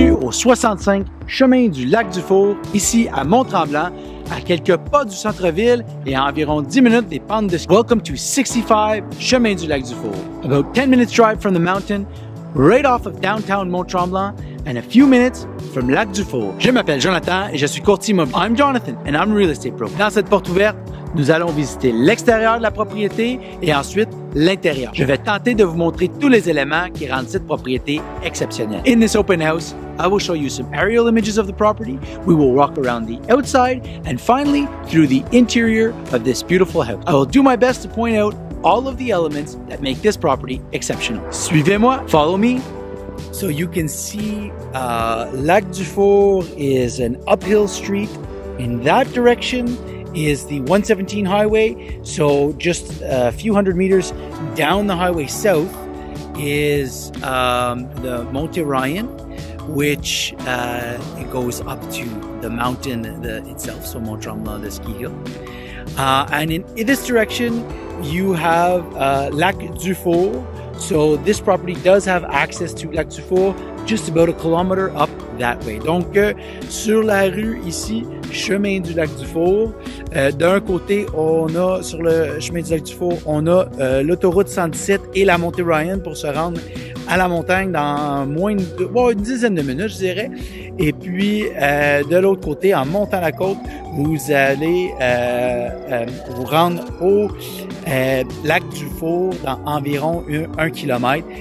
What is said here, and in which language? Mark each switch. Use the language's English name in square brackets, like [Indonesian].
[French] 65 chemin du Lac du Four, ici à Mont-Tremblant, à quelques pas du centre-ville et à environ 10 minutes des pentes de ski. [English] Welcome to 65 chemin du Lac du Four. About 10 minutes drive from the mountain, right off of downtown Mont-Tremblant, and a few minutes from Lac du Four. [French] Je m'appelle Jonathan et je suis courtier immobilier. [English] I'm Jonathan and I'm a real estate pro. [French] Dans cette porte ouverte, nous allons visiter l'extérieur de la propriété et ensuite l'intérieur. Je vais tenter de vous montrer tous les éléments qui rendent cette propriété exceptionnelle. [English] In this open house, I will show you some aerial images of the property. We will walk around the outside and finally through the interior of this beautiful house. I will do my best to point out all of the elements that make this property exceptional. [French] Suivez-moi, [English] follow me. So you can see Lac du Four is an uphill street. In that direction is the 117 highway. So just a few hundred meters down the highway south is the Monte Ryan, which it goes up to the mountain itself, so Mont Tremblant, the ski hill. And in this direction, you have Lac du Four. So this property does have access to Lac du Four, just about a kilometer up that way. [French] Donc, sur la rue ici, chemin du Lac du Four, d'un côté, on a, sur le chemin du Lac du Four, on a l'autoroute 117 et la montée Ryan pour se rendre à la montagne dans une dizaine de minutes, je dirais. Et puis, de l'autre côté, en montant la côte, vous allez vous rendre au Lac du Four dans environ un kilomètre.